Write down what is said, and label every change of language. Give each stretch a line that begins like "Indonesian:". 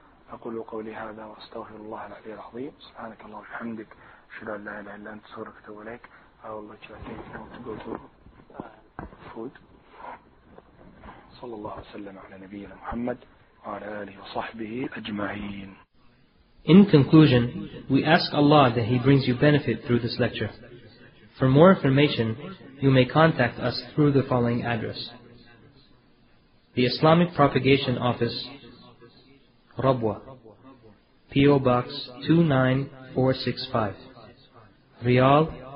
Arabic: أقول قولي هذا وأستغفر الله العلي العظيم. سبحانك الله وبحمدك. أشهد أن لا إله إلا أنت أستغفرك وأتوب إليك.
English: I will let you attend now to go to food.
Arabic: صلى الله وسلم على نبينا محمد وعلى آله وصحبه أجمعين.
English: In conclusion, we ask Allah that He brings you benefit through this lecture. For more information, you may contact us through the following address: The Islamic Propagation Office, Rabwa, P.O. Box 29465, Riyadh,